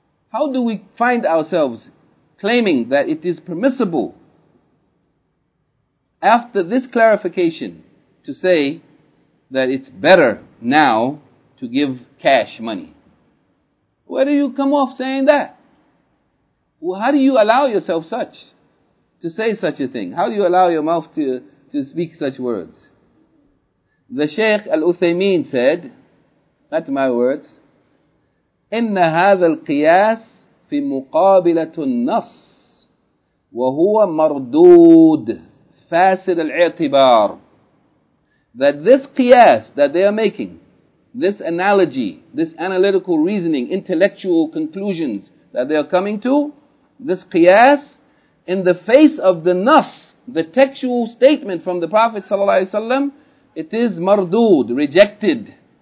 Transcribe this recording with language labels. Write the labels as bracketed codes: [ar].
[en] How do we find ourselves claiming that it is permissible after this clarification to say that it's better now to give cash money? Where do you come off saying that? Well, how do you allow yourself such, to say such a thing? How do you allow your mouth to speak such words? The Shaykh Al-Uthaymeen said, not my words, [ar] إِنَّ هَذَا الْقِيَاسِ فِي مُقَابِلَةُ النَّصِ وَهُوَ مَرْدُودٌ فَاسِدَ الْاِعْتِبَارِ. [en] That this qiyas that they are making, this analogy, this analytical reasoning, intellectual conclusions that they are coming to, this qiyas, in the face of the nas, the textual statement from the Prophet ﷺ, it is mardood, rejected.